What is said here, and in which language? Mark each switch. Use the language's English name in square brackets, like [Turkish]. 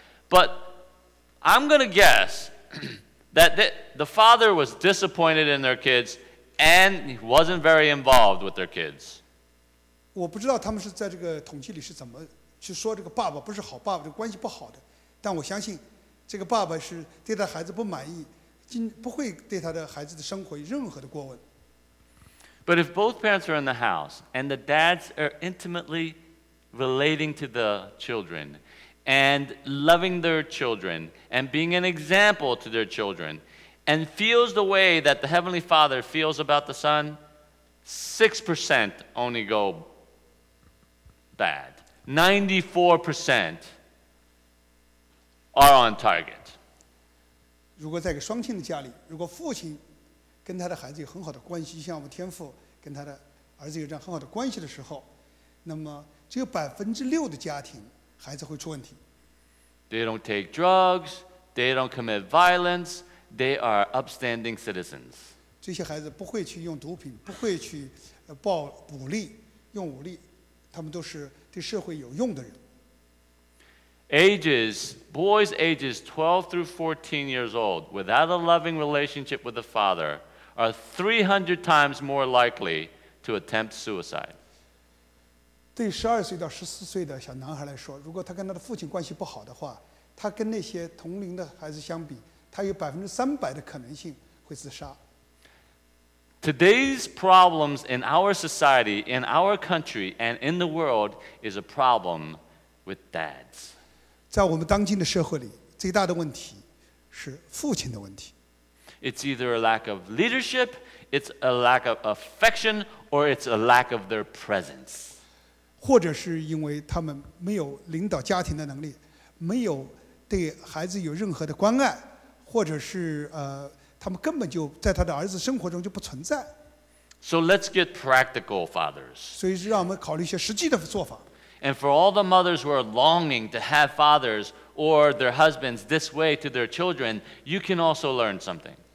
[English] But I'm going to guess that the father was disappointed in their kids and he wasn't very involved with their kids. [Chinese] 我不知道他们是在这个统计里是怎么去说这个爸爸不是好爸爸，这个关系不好的。但我相信这个爸爸是对他孩子不满意，不会对他的孩子的生活有任何的过问。 [English] But if both parents are in the house and the dads are intimately relating to the children and loving their children and being an example to their children and feels the way that the Heavenly Father feels about the son, 6% only go bad. 94% are on target. [Chinese] 如果在一个双亲的家里，如果父亲跟他的孩子有很好的关系，像我们天父跟他的儿子有这样很好的关系的时候，那么只有6%的家庭孩子会出问题。 [English] They don't take drugs, they don't commit violence, they are upstanding citizens. [Chinese] 这些孩子不会去用毒品，不会去暴武力，用武力，他们都是对社会有用的人。 [English] Ages, boys ages 12 through 14 years old without a loving relationship with the father. Are 300 times more likely to attempt suicide. [Chinese] 对12岁到14岁的小男孩来说，如果他跟他的父亲关系不好的话，他跟那些同龄的孩子相比，他有300%的可能性会自杀。 [English] Today's problems in our society, in our country, and in the world is a problem with dads. [Chinese] 在我们当今的社会里，最大的问题是父亲的问题。 [English] It's either a lack of leadership, it's a lack of affection, or it's a lack of their presence. [Chinese] 或者是因为他们没有领导家庭的能力，没有对孩子有任何的关爱，或者是他们根本就在他的儿子生活中就不存在。 [English] So let's get practical, fathers. [Chinese] 所以让我们考虑一些实际的做法。 [English] And for all the mothers who are longing to have fathers. Or their husbands this way to their children, you can also learn something.